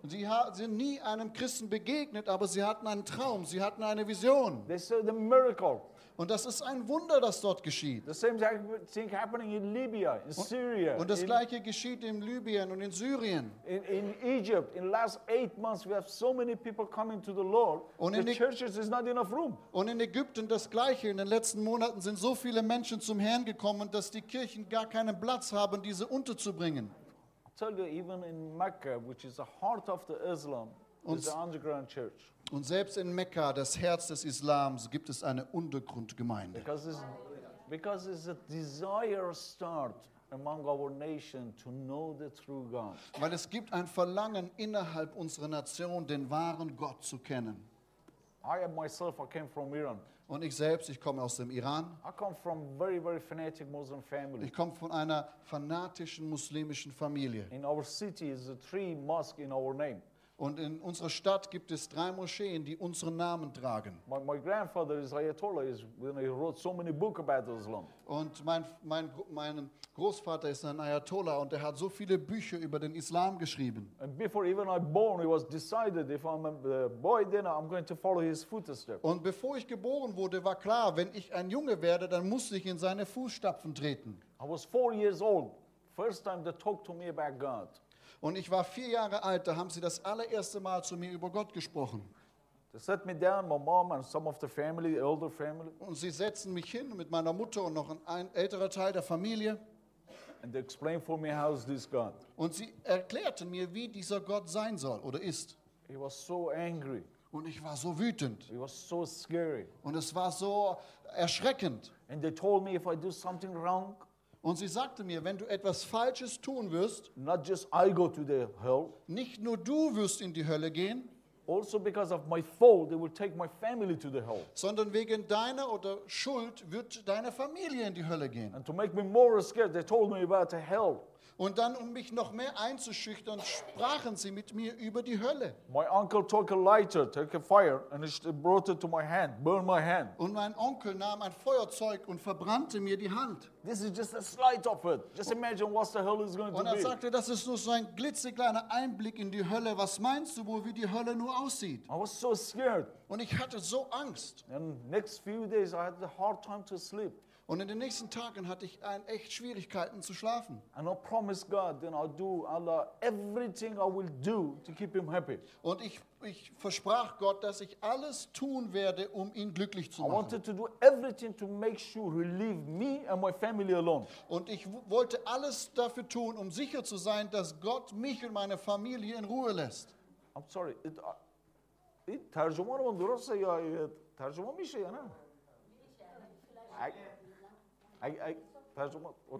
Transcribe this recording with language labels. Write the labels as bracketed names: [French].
[German] Sie sind nie einem Christen begegnet, aber sie hatten einen Traum, sie hatten eine Vision. [English] They saw the miracle. [German] Und das ist ein Wunder, das dort geschieht. [English] The same thing happening in Libya, in Syria. [German] Und das gleiche geschieht in Libyen und in Syrien. [English] In Egypt, in the last 8 months, we have so many people coming to the Lord. [German] Und [English] the churches is not enough room. [German] Und in Ägypten das gleiche. In den letzten Monaten sind so viele Menschen zum Herrn gekommen, dass die Kirchen gar keinen Platz haben, diese unterzubringen. [English] I tell you, even in Mecca, which is the heart of the Islam. [German] Und selbst in Mekka, das Herz des Islams, gibt es eine Untergrundgemeinde. [English] Because it's a desire start among our nation to know the true God. [German] Weil es gibt ein Verlangen innerhalb unserer Nation, den wahren Gott zu kennen. [English] I came from Iran. [German] Und ich selbst, ich komme aus dem Iran. [English] I come from very, very fanatic Muslim family. [German] Ich komme von einer fanatischen muslimischen Familie. [English] In our city is a 3 mosques in our name. [German] Und in unserer Stadt gibt es 3 Moscheen, die unseren Namen tragen. [English] My grandfather is Ayatollah, is when he wrote so many books about Islam. [German] Und mein Großvater ist ein Ayatollah und er hat so viele Bücher über den Islam geschrieben. [English] And before even I born, it was decided if I'm a boy, then I'm going to follow his footsteps. [German] Und bevor ich geboren wurde, war klar, wenn ich ein Junge werde, dann muss ich in seine Fußstapfen treten. [English] I was 4 years old, first time they talked to me about God. [German] Und ich war 4 Jahre alt, da haben sie das allererste Mal zu mir über Gott gesprochen. [English] They set me down, my mom and some of the family, the older family. [German] Und sie setzten mich hin mit meiner Mutter und noch ein älterer Teil der Familie. [English] And they explained for me how is this God. [German] Und sie erklärten mir, wie dieser Gott sein soll oder ist. [English] He was so angry. [German] Und ich war so wütend. [English] He was so scary. [German] Und es war so erschreckend. [English] And they told me if I do something wrong. [German] Und sie sagte mir, wenn du etwas Falsches tun wirst, [English] not just I go to the hell, [German] nicht nur du wirst in die Hölle gehen, [English] also because of my fault, they will take my family to the hell, [German] sondern wegen deiner oder Schuld wird deine Familie in die Hölle gehen. [English] And to make me more scared, they told me about the hell. [German] Und dann, um mich noch mehr einzuschüchtern, sprachen sie mit mir über die Hölle. [English] My uncle took a lighter, took a fire, and he brought it to my hand, burned my hand. [German] Und mein Onkel nahm ein Feuerzeug und verbrannte mir die Hand. [English] This is just a slight of it. Just imagine what the hell is going to be. [German] Und sagte, das ist nur so ein glitzekleiner Einblick in die Hölle. Was meinst du wohl, wie die Hölle nur aussieht? [English] I was so scared. [German] Und ich hatte so Angst. [English] And next few days I had a hard time to sleep. [German] Und in den nächsten Tagen hatte ich echt Schwierigkeiten zu schlafen. [English] And I promised God that I'll do Allah everything I will do to keep him happy. [German] Und ich versprach Gott, dass ich alles tun werde, um ihn glücklich zu machen. [English] I wanted to do everything to make sure he leave me and my family alone. [German] Und ich wollte alles dafür tun, um sicher zu sein, dass Gott mich und meine Familie in Ruhe lässt. [English] I'm sorry. It tarjumanı mı doğruysa ya tarjuma mı işe yani? I, okay.